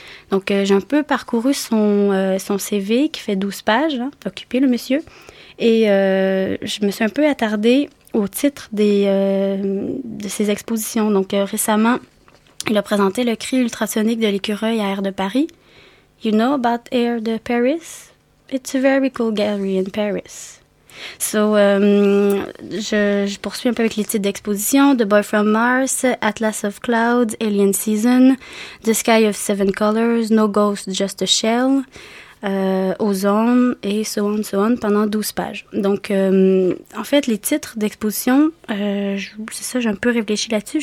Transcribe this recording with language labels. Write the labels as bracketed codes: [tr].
[fr] Donc, j'ai un peu parcouru son CV, qui fait 12 pages, hein, occupé le monsieur, et je me suis un peu attardée au titre de ses expositions. Donc, récemment, il a présenté le cri ultrasonique de l'écureuil à Air de Paris. [en] You know about Air de Paris? It's a very cool gallery in Paris. [fr] So, je poursuis un peu avec les titres d'exposition. [en] The Boy from Mars, Atlas of Clouds, Alien Season, The Sky of Seven Colors, No Ghost, Just a Shell, Ozone, et so on, [fr] pendant 12 pages. Donc, en fait, les titres d'exposition, c'est ça, j'ai un peu réfléchi là-dessus.